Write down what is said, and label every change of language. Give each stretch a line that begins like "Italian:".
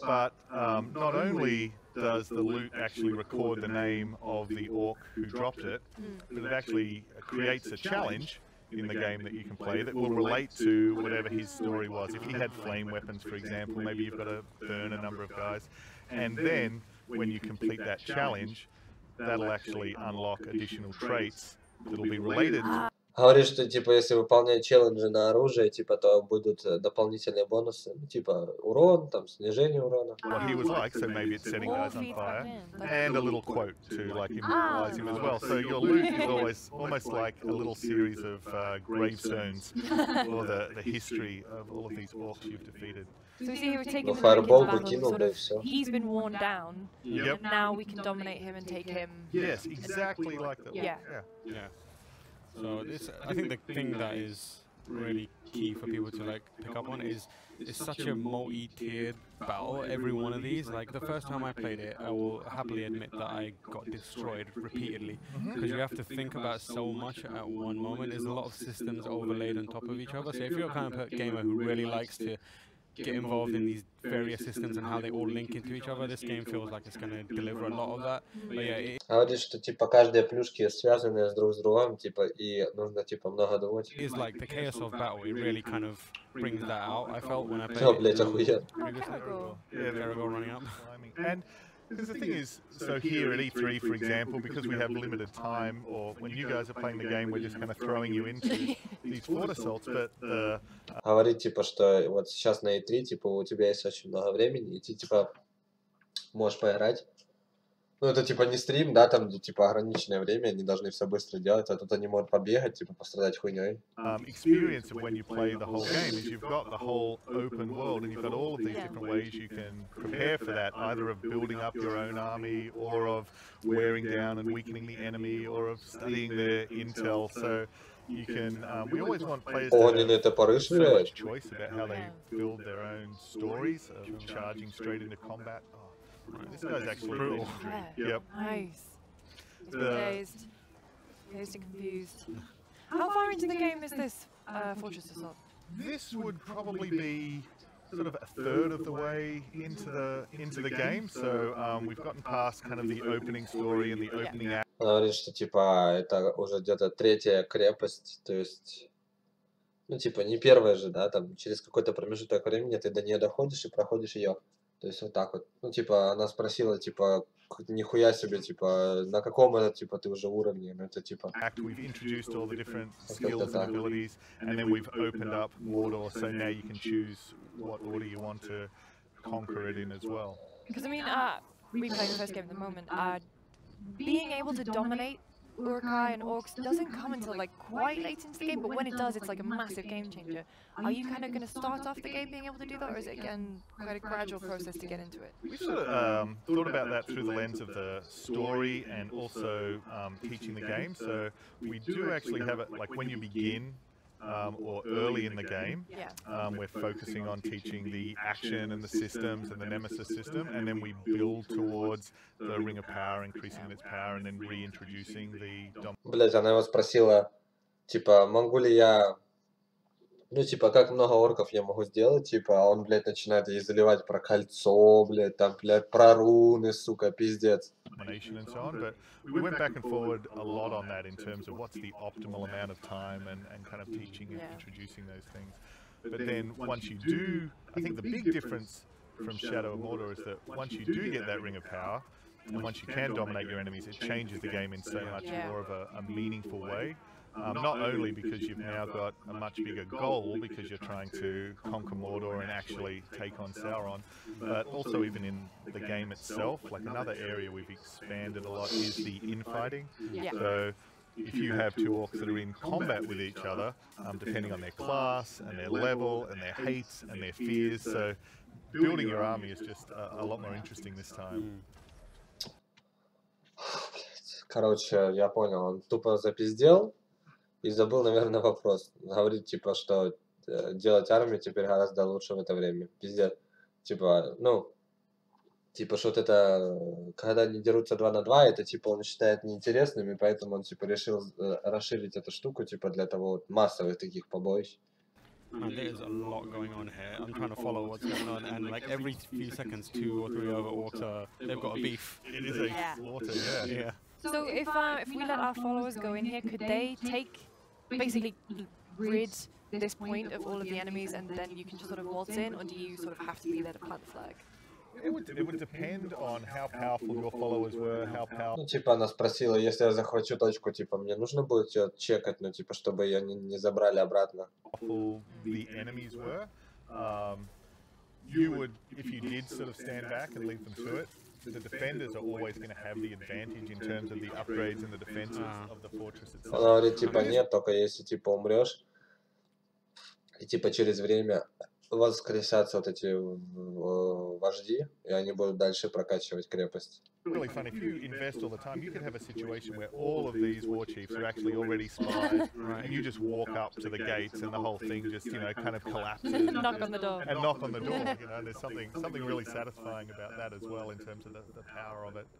English: But, not only does the loot actually record the name of the orc who dropped it, but it actually creates a challenge in the game that you can play that will relate to whatever his story was. If he had flame weapons, for example, maybe you've got to burn a number of guys. And then, when you complete that challenge, that'll actually unlock additional traits that'll be related.
Russian: Говорит, что, типа, если выполнять челленджи на оружие, типа, то будут дополнительные бонусы, типа, урон, там, снижение урона.
English: What he was like, so maybe it's setting guys on fire. And a little quote to, like, immortalize him as well. So your loot is always almost like a little series of gravestones for the history of all of these orcs you've defeated. So we see he was taken from the battle, sort of, he's been worn down, yep. And now we can dominate him and take him. Yes, exactly like that. Yeah. So this, I think the thing that is really key for people to like pick up on is it's such a multi-tiered battle, every one of these. Like the first time I played it, I will happily admit that I got destroyed repeatedly because you have to think about so much at one moment. There's a lot of systems overlaid on top of each other. So if you're a kind of gamer who really likes to get involved in these various systems and how they all link into each other, this game feels like it's going to deliver a lot of that. But yeah, it
Russian: говорит, что, типа, каждая плюшка связана с друг с другом, типа, и нужно, типа, много думать.
English: It's like the chaos of battle, it really kind of brings that out, I felt, when I played it. Oh,
Russian: блядь, охуя.
English: Oh, Caragor running up. And because the thing is, so here at E3, for example, because we have limited time, or when you guys are playing the game, we're just kind of throwing you into these fort assaults, but the...
Russian: Говорит, типа, что вот сейчас на E3, типа, у тебя есть очень много времени, и ты, типа, можешь поиграть. Ну, это, типа, не стрим, да, там, где, типа, ограниченное время, они должны все быстро делать, а тут они могут побегать, типа, пострадать хуйней.
English: Experience of when you play the whole game is you've got the whole open world, and you've got all of these different ways you can prepare for that, either of building up your own army, or of wearing down and weakening the enemy, or of studying their intel, so you can, we always want players to have so much choice about how they build their own stories, of charging straight into combat. This guy's actually brutal. Yeah. Yep. Nice. Dazed. Dazed and confused. How far into the game is this fortress assault? This would probably be sort of a third of the way into the game. So we've gotten past kind of the opening story and the opening act.
Russian: Он говорит, что типа это уже где-то третья крепость, то есть. Ну, типа, не первая же, да, там через какой-то промежуток времени ты до нее доходишь и проходишь ее. То есть вот так вот. Ну, типа, она спросила, типа, нихуя себе, типа, на каком это, типа, ты уже уровне, ну это типа.
English: Act, we've introduced all the different skills and abilities, and then we've opened up Mordor, so now you can choose what order you want to conquer it in as well. Because I mean, replaying the first game at the moment, being able to dominate Uruk-hai and Orcs doesn't come until like quite late into the game, but when it does, it's like a massive game changer. Are you kind of going to start off the game being able to do that, or is it again quite a gradual process to get into it? We sort of thought about that through the lens of the story and also teaching the game. So we do actually have it like when you begin or early in the game, we're focusing on teaching the action and the systems and the nemesis system, and then we build towards the ring of power, increasing its power, and then reintroducing the dominant.
Russian: Блять, она его спросила, типа, могу ли я, ну, типа, как много орков я могу сделать, типа, а он, блядь, начинает ей заливать про кольцо, блядь, там, блядь, про руны, сука, пиздец.
English: And so on, but we went back and forward a lot on that in terms of what's the optimal amount of time and kind of teaching and introducing those things. But then once you do, I think the big difference from Shadow of Mordor is that once you do get that ring of power, and once you can dominate your enemies, it changes the game in so much more of a meaningful way. Not only because you've now got a much bigger goal because you're trying to conquer Mordor and actually take on Sauron, but also even in the game itself, like another area we've expanded a lot is the infighting. Yeah. So if you have two orcs that are in combat with each other, depending on their class and their level and their hates and their fears, so building your army is just a lot more interesting this time.
Russian: Короче, я понял, он тупо запиздел и забыл, наверное, вопрос. Говорит, типа, что делать армию теперь гораздо лучше в это время. Пиздец. Типа, ну, типа, что вот это, когда они дерутся 2 на 2, это, типа, он считает неинтересным, и поэтому он, типа, решил расширить эту штуку, типа, для того вот массовых таких побоищ.
English: And there's a lot going on here. I'm trying to follow what's going on, and like every few seconds, two or three other orcs they've got a beef. It is a slaughter, yeah. So if we let our followers go in here, could they take, basically, rid this point of all of the enemies, and then you can just sort of waltz in, or do you sort of have to be there to plant the flag? It would depend on how powerful your followers were, how powerful.
Russian: Ну типа она спросила, если я захвачу точку, типа мне нужно будет ее чекать, ну типа чтобы ее не забрали обратно.
English: The enemies were. You would, if you did sort of stand back and leave them to it. The defenders are always going to have the advantage in terms of the upgrades and the defenses of the fortress itself.
Russian: Она говорит, типа нет, только если типа умрешь и типа через время. Воскресятся вот эти вожди, и они будут дальше прокачивать крепость.
English: Really funny, if you invest all the time, you could have a situation where all of these war chiefs are actually already spies, right. And you just walk up to the gates and the whole thing just, you know, kind of collapses. Knock on the door. And knock on the door, you know, and there's something really satisfying about that as well in terms of the power of it.